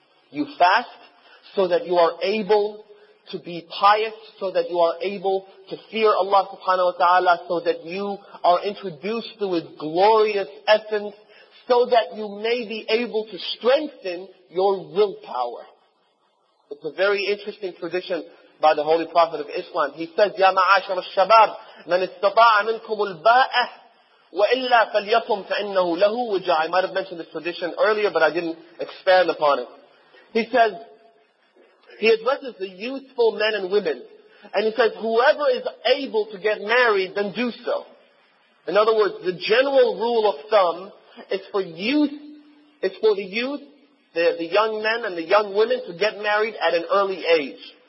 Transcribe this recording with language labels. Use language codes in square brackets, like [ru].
[en] You fast so that you are able to be pious, so that you are able to fear Allah subhanahu wa ta'ala, so that you are introduced to His glorious essence, so that you may be able to strengthen your willpower. It's a very interesting tradition by the Holy Prophet of Islam. He says, [ar] يَا مَعَاشَرَ الشَّبَابِ مَنِ اسْتَطَاعَ مِنْكُمُ الْبَاءَةِ وَإِلَّا فَلْيَصُمْ فَإِنَّهُ لَهُ وُجَعَ. [en] I might have mentioned this tradition earlier, but I didn't expand upon it. He says, he addresses the youthful men and women, and he says, whoever is able to get married, then do so. In other words, the general rule of thumb is for youth, it's for the youth, the young men and the young women to get married at an early age.